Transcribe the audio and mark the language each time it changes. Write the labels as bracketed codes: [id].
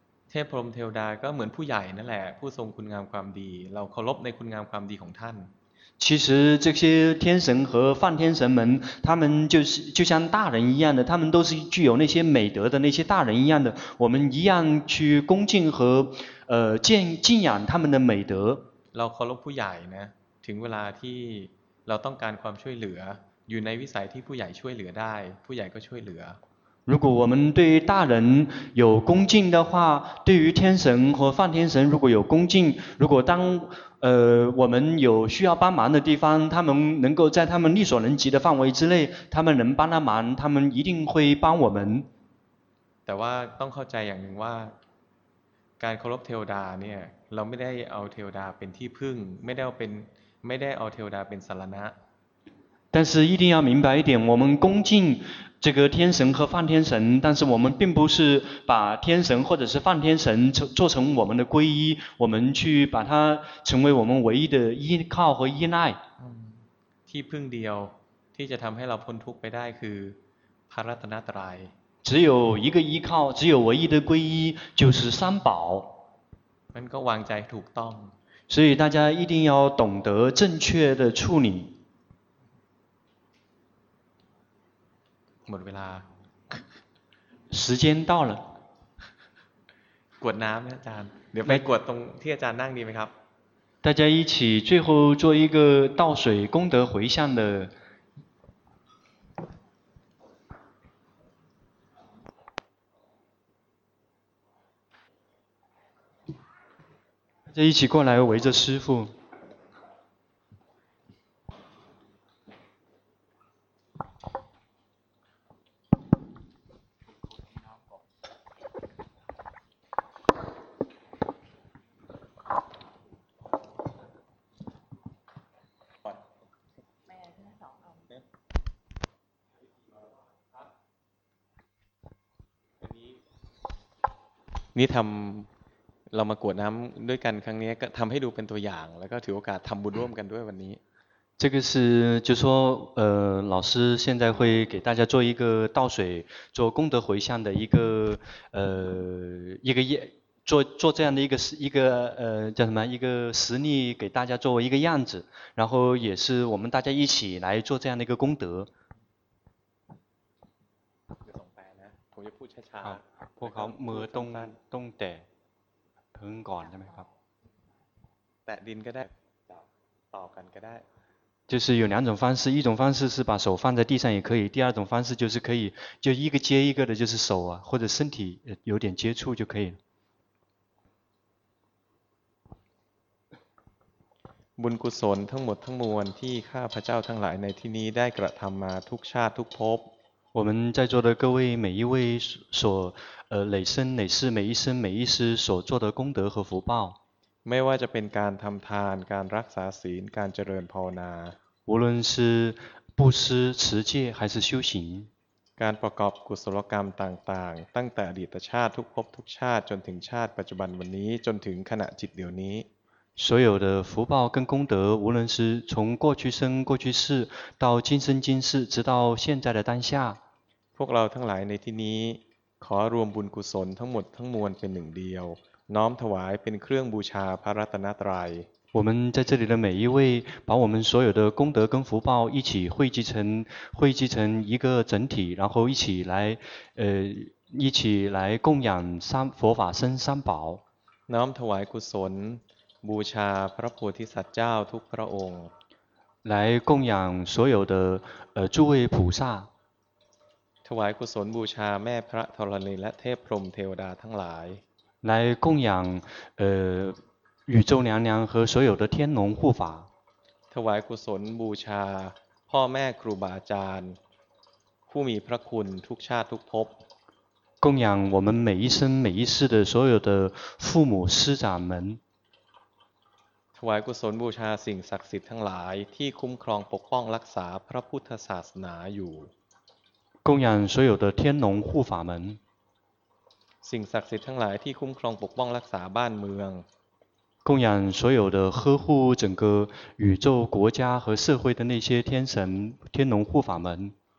[th] เทพพรหมเทวดาก็เหมือนผู้ใหญ่นั่นแหละผู้ทรงคุณงามความดีเราเคารพในคุณงามความดีของท่าน [zh] 其实这些天神和梵天神们他们就像大人一样的他们都是具有那些美德的那些大人一样的我们一样去恭敬和敬仰他们的美德 [th] เราเคารพผู้ใหญ่นะถึงเวลาที่เราต้องการความช่วยเหลืออยู่ในวิสัยที่ผู้ใหญ่ช่วยเหลือได้ผู้ใหญ่ก็ช่วยเหลือ [zh] 如果我们对大人有恭敬的话对于天神和梵天神如果有恭敬如果当我们有需要帮忙的地方他们能够在他们力所能及的范围之内他们能帮他忙他们一定会帮我们 [th] แต่ว่าต้องเข้าใจอย่างหนึ่งว่าการเคารพเทวดาเนี่ยเราไม่ได้เอาเทวดาเป็นที่พึ่งไม่ได้เอาเป็นไม่ได้เอาเทวดาเป็นสรณะ [zh] 但是一定要明白一点我们恭敬这个天神和梵天神但是我们并不是把天神或者是梵天神做成我们的皈依我们去把它成为我们唯一的依靠和依赖 [th] ที่พึ่งเดียวที่จะทําให้เราพ้นทุกข์ไปได้คือพระรัตนตรัย [zh] 只有一个依靠只有唯一的皈依就是三宝 [th] มันก็วางใจถูกต้อง [zh] 所以大家一定要懂得正确的处理 [th] หมดเวลา [zh] 时间到了 [th] กวดน้ำนะอาจารย์เดี๋ยวไปกวดตรงที่อาจารย์นั่งดีไหมครับ [zh] 大家一起最后做一个倒水功德回向的大家一起过来围着师父 [th] นี่ทำเรามากวดน้ำด้วยกันครั้งนี้ก็ทำให้ดูเป็นตัวอย่างแล้วก็ถือโอกาสทำบุญร่วมกันด้วยวันนี้ [zh] 这个是就说老师现在会给大家做一个倒水做功德回向的一个业做这样的一个叫什么一个实例给大家作为一个样子，然后也是我们大家一起来做这样的一个功德。好， [th] พวกเขาเมื่อต้องแต่พึ่งก่อนใช่ไหมครับ แตะดินก็ได้ต่อกันก็ได้ [zh] 就是有两种方式，一种方式是把手放在地上也可以，第二种方式就是可以就一个接一个的，就是手啊或者身体有点接触就可以了。 [th] บุญกุศลทั้งหมดทั้งมวลที่ข้าพเจ้าทั้งหลายในที่นี้ได้กระทำมาทุกชาติทุกภพ [zh] 我们在座的各位每一位所累生累世每一生每一世所做的功德和福报 [th] ไม่ว่าจะเป็นการทำทานการรักษาศีลการเจริญภาวนา [zh] 无论是布施持戒还是修行 [th] การประกอบกุศลกรรมต่างๆตั้งแต่อดีตชาติทุกภพทุกชาติจนถึงชาติปัจจุบันวันนี้จนถึงขณะจิตเดี๋ยวนี้ [zh] 所有的福报跟功德，无论是从过去生、过去世，到今生今世，直到现在的当下。 [th] พวกเราทั้งหลายในที่นี้ขอรวมบุญกุศลทั้งหมดทั้งมวลเป็นหนึ่งเดียวน้อมถวายเป็นเครื่องบูชาพระรัตนตรัย [zh] 我们在这里的每一位，把我们所有的功德跟福报一起汇集成一个整体，然后一起来供养佛法僧三宝。 [th] น้อมถวายกุศลบูชาพระโพธิสัตว์เจ้าทุกพระองค์ [zh] 来供养所有的诸位菩萨 [th] ถวายกุศลบูชาแม่พระธรณีและเทพพรหมเทวดาทั้งหลาย [zh] 来供养宇宙娘娘和所有的天龙护法 [th] ถวายกุศลบูชาพ่อแม่ครูบาอาจารย์ผู้มีพระคุณทุกชาติทุกภพ [zh] 供养我们每一生每一世的所有的父母师长们 [th] ถวายกุศลบูชาสิ่งศักดิ์สิทธิ์ทั้งหลายที่คุ้มครองปกป้องรักษาพระพุทธศาสนาอยู่ [zh] 供养所有的天龙护法门 [th] สิ่งศักดิ์สิทธิ์ทั้งหลายที่คุ้มครองปกป้องรักษาบ้านเมือง [zh] 供养所有的呵护整个宇宙国家和社会的那些天神天龙护法门